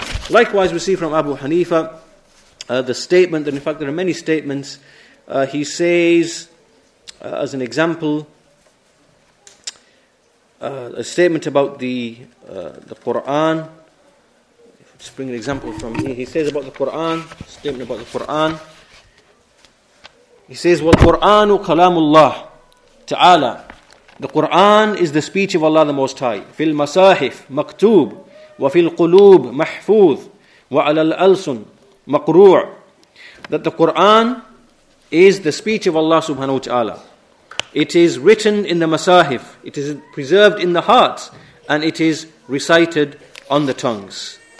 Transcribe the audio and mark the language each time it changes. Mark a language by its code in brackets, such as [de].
[en] Likewise, we see from Abu Hanifa the statement, and in fact there are many statements, he says, as an example, a statement about the Qur'an. Let's bring an example from me. He says about the Qur'an, statement about the Qur'an. He says, [ar] وَالْقُرْآنُ كَلَامُ اللَّهِ تَعَالَى. [en] The Qur'an is the speech of Allah the Most High. [ar] فِي الْمَسَاحِفِ مَكْتُوبُ وَفِي الْقُلُوبِ مَحْفُوظُ وَعَلَى الْأَلْسُنِ مَقْرُوعُ. [en] That the Qur'an is the speech of Allah subhanahu wa ta'ala. It is written in the masahif, it is preserved in the hearts, and it is recited on the tongues.